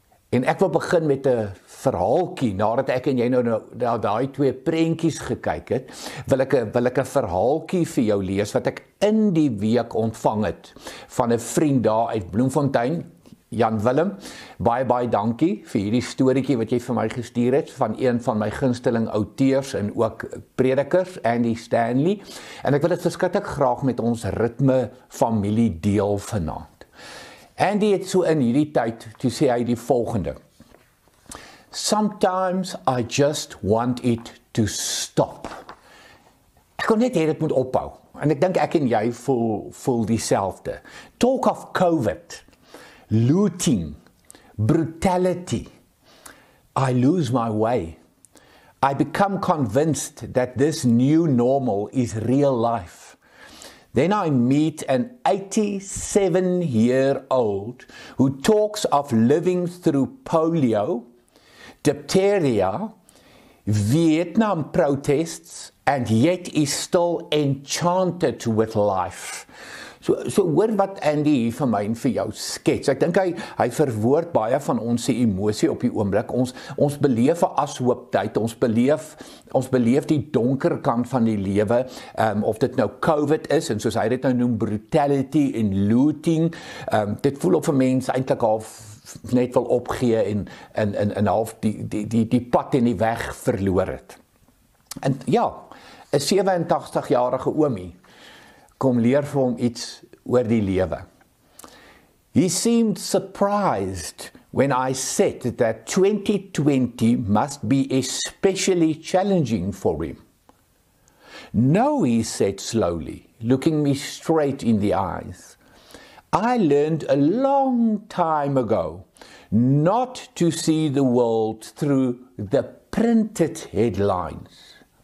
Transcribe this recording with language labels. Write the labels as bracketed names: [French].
[Afrikaans] En ek wil begin met 'n verhaaltjie, nadat ek en jy nou na daai twee prentjies gekyk het, wil ek 'n verhaaltjie vir jou lees wat ek in die week ontvang het van 'n vriend daar uit Bloemfontein, Jan Willem. Baie baie dankie vir hierdie storieetjie wat jy vir my gestuur het van een van my gunsteling outeurs en ook predikers, Andy Stanley. En ek wil dit verskriklik graag met ons Ritme familie deel vanaand. Andy het so in hierdie tyd, toe sê hy die volgende. [English] Sometimes I just want it to stop. [Afrikaans] Ek kon net hê dit moet ophou. En ek dink ek en jy voel dieselfde. [English] Talk of COVID, looting, brutality. I lose my way. I become convinced that this new normal is real life. Then I meet an 87-year-old who talks of living through polio, diphtheria, Vietnam protests, and yet is still enchanted with life. [Afrikaans] So hoor wat Andy hier vir my en vir jou skets. Ek dink hy verwoord baie van ons se emosie op die oomblik. Ons beleef 'n ashooptyd, ons beleef die donker kant van die lewe, of dit nou COVID is, en soos hy dit nou noem, brutality en looting, dit voel op vir mens eintlik half net wil opgee en half die pad en die weg verloor het. En ja, 'n 87-jarige oomie kom leer vir hom iets oor die lewe. [English] He seemed surprised when I said that 2020 must be especially challenging for him. No, he said slowly, looking me straight in the eyes. I learned a long time ago not to see the world through the printed headlines.